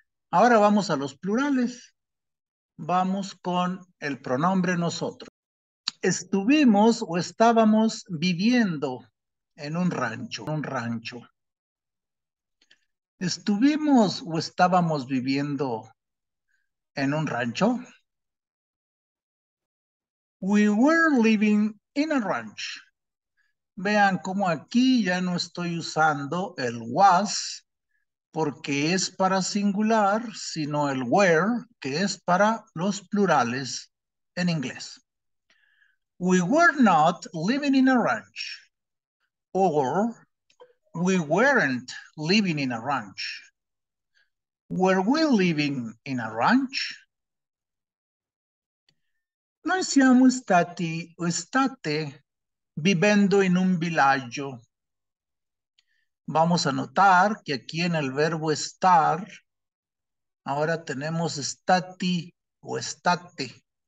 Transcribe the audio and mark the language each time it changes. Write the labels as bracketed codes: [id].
[es] Ahora vamos a los plurales. Vamos con el pronombre nosotros. Estuvimos o estábamos viviendo en un rancho. Un rancho. ¿Estuvimos o estábamos viviendo en un rancho? [en] We were living in a ranch. [es] Vean cómo aquí ya no estoy usando el was porque es para singular, sino el were que es para los plurales en inglés. [en] We were not living in a ranch. Or, we weren't living in a ranch. Were we living in a ranch? [it] Noi siamo stati o state vivendo in un villaggio. [es] Vamos a notar que aquí en el verbo estar, ahora tenemos stati o estate.